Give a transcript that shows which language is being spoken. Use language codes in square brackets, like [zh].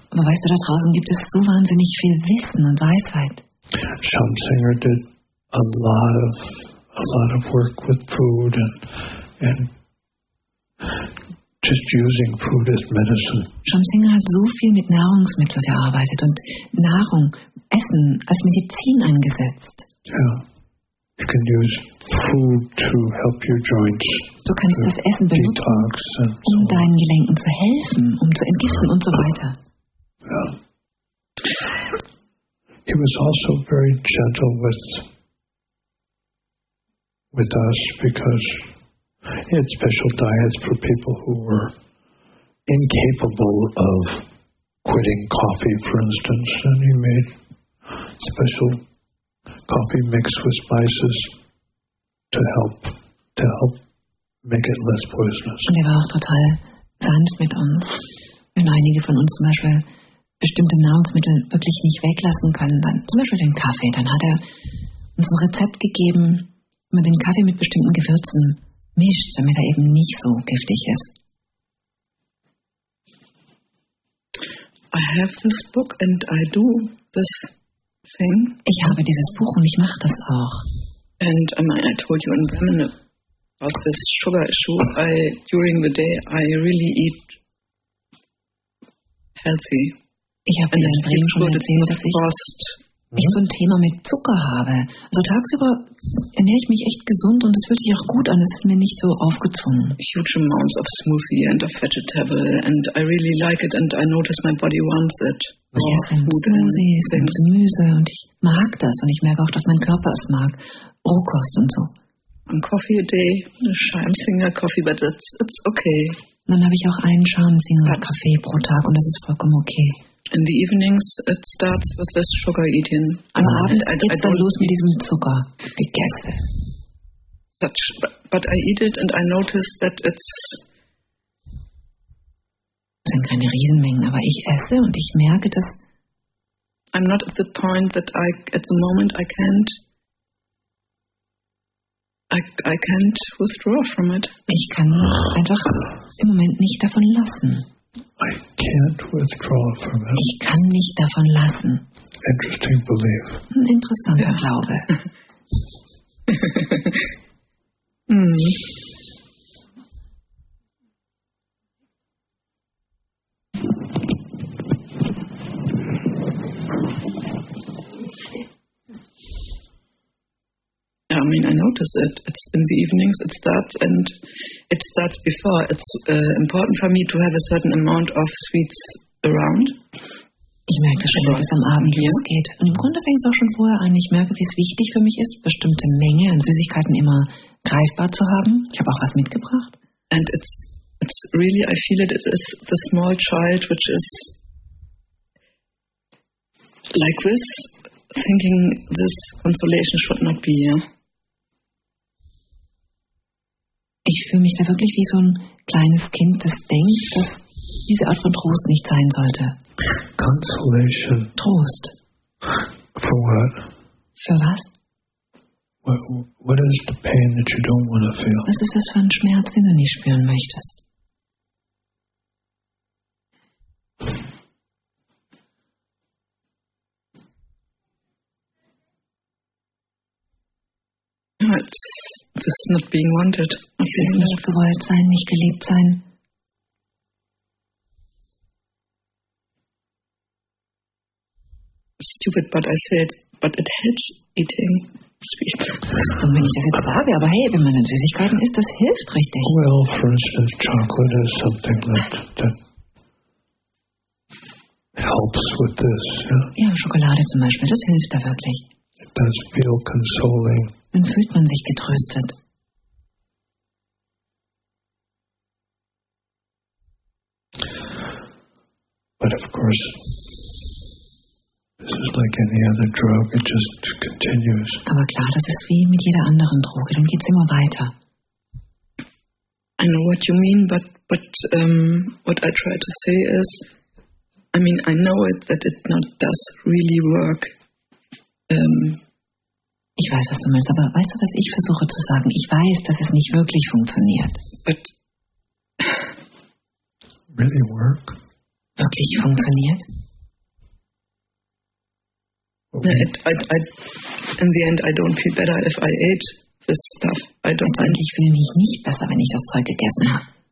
[de] Aber weißt du, da draußen gibt es so wahnsinnig viel Wissen und Weisheit. [en] Schamsinger did a lot of work with food and just using food as medicine. [de] Schamsinger hat so viel mit Nahrungsmitteln gearbeitet und Nahrung, Essen als Medizin eingesetzt. Ja. [en] Yeah. You can use food to help your joints. [de] Du kannst das Essen benutzen, um deinen Gelenken zu helfen, um zu entgiften und so weiter. [en] Yeah. He was also very gentle with us because he had special diets for people who were incapable of quitting coffee, for instance, and he made special coffee mixed with spices to help make it less poisonous. [de] Und er war auch total sanft mit uns. Wenn einige von uns zum Beispiel bestimmte Nahrungsmittel wirklich nicht weglassen können, dann zum Beispiel den Kaffee, dann hat er uns ein Rezept gegeben, wie man den Kaffee mit bestimmten Gewürzen mischt, damit er eben nicht so giftig ist. [en] I have this book and I do this thing. [de] Ich habe dieses Buch und ich mache das auch. [en] And I told you in Bremen about this sugar issue. During the day I really eat healthy. [de] Ich habe dir in Bremen schon erzählt, dass ich so ein Thema mit Zucker habe. Also tagsüber ernähre ich mich echt gesund und es fühlt sich auch gut an. Es ist mir nicht so aufgezwungen. [en] Huge amounts of smoothie and of vegetable and I really like it and I notice my body wants it. [de] Ich esse Smoothies und Gemüse und ich mag das und ich merke auch, dass mein Körper es mag. Rohkost und so. [en] And coffee a day, a Schaumzinger coffee, but it's okay. [de] Und dann habe ich auch einen Schaumzinger Kaffee pro Tag und das ist vollkommen okay. [en] In the evenings it starts with this sugar eating. [de] Am Abend geht's dann los mit diesem Zucker. Gegessen. [en] But I eat it and I notice that it's. [de] Das sind keine Riesenmengen, aber ich esse und ich merke, dass. [en] I'm not at the point that I can't withdraw from it. [de] Ich kann einfach im Moment nicht davon lassen. [en] I can't withdraw from it. [de] Ich kann nicht davon lassen. [en] Interesting belief. [de] Ein interessanter Glaube. [en] I mean, I notice it. It's in the evenings. It starts and it starts before. It's important for me to have a certain amount of sweets around. [de] Ich merke das schon, wenn es am Abend losgeht. Und im Grunde fängt es auch schon vorher an. Ich merke, wie es wichtig für mich ist, bestimmte Menge an Süßigkeiten immer greifbar zu haben. Ich habe auch was mitgebracht. [en] And it's really, I feel it. It is the small child, which is like this. Thinking this consolation should not be here. [de] Ich fühle mich da wirklich wie so ein kleines Kind, das denkt, dass diese Art von Trost nicht sein sollte. [en] Consolation. [de] Trost. [en] For what? [de] Für was? [en] What is the pain that you don't want to feel? [de] Was ist das für ein Schmerz, den du nicht spüren möchtest? [en] It's not being wanted. [de] Es ist nicht gewollt sein, nicht geliebt sein. [en] Stupid, but I said, but it helps eating sweets. [de] Das ist dumm, wenn ich das jetzt sage, aber hey, wenn man in Süßigkeiten isst, das hilft richtig. [en] Well, for instance, chocolate is something that helps with this. Yeah? [de] Ja, Schokolade zum Beispiel, das hilft da wirklich. [en] It does feel consoling. [de] Dann fühlt man sich getröstet. [en] But of course, this is like any other drug, it just continues. [de] Aber klar, das ist wie mit jeder anderen Droge, dann geht's immer weiter. [en] I know what you mean, but what I try to say is, I mean, I know it, that it not does really work. [de] Ich weiß, was du meinst, aber weißt du, was ich versuche zu sagen? Ich weiß, dass es nicht wirklich funktioniert. [en] But really work? [de] Wirklich funktioniert? [en] In the end, I don't feel better if I ate this stuff. I don't. [de] Letztendlich fühle ich mich nicht besser, wenn ich das Zeug gegessen habe.